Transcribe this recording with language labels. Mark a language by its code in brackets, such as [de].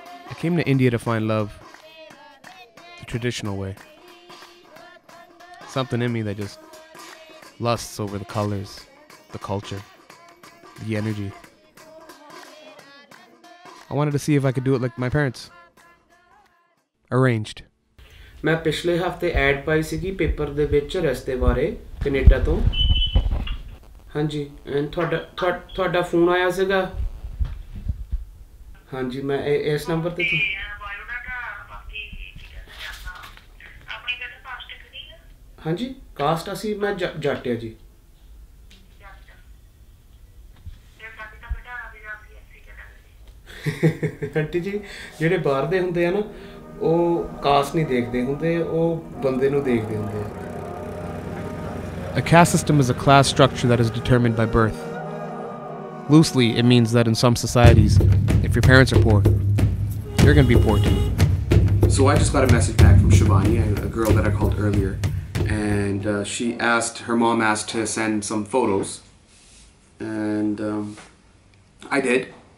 [en] I came to India to find love the traditional way. Something in me that just lusts over the colors, the culture, the energy. I wanted to see if I could do it like my parents. Arranged. [pa] ਮੈਂ ਪਿਛਲੇ ਹਫ਼ਤੇ add ਪਾਈ ਸੀਗੀ paper ਦੇ ਵਿੱਚ ਰਸਤੇ ਬਾਰੇ Canada ਤੋਂ। ਹਾਂਜੀ, ਤੁਹਾਡਾ ਫੋਨ ਆਇਆ ਸੀਗਾ। ਹਾਂਜੀ, ਮੈਂ ਇਸ ਨੰਬਰ 'ਤੇ। ਹਾਂਜੀ, ਕਾਸਟ ਅਸੀਂ ਮੈਂ ਜੱਟ ਆ ਜੀ। ਆਂਟੀ ਜੀ, ਜਿਹੜੇ ਬਾਹਰ ਦੇ ਹੁੰਦੇ ਆ ਨਾ, ਉਹ ਕਾਸਟ ਨਹੀਂ ਦੇਖਦੇ ਹੁੰਦੇ, ਉਹ ਬੰਦੇ ਨੂੰ ਦੇਖਦੇ ਹੁੰਦੇ। [en] A caste system is a class structure that is determined by birth. Loosely, it means that in some societies, if your parents are poor, you're going to be poor too. So I just got a message back from Shivani, a girl that I called earlier, and her mom asked to send some photos, and I did.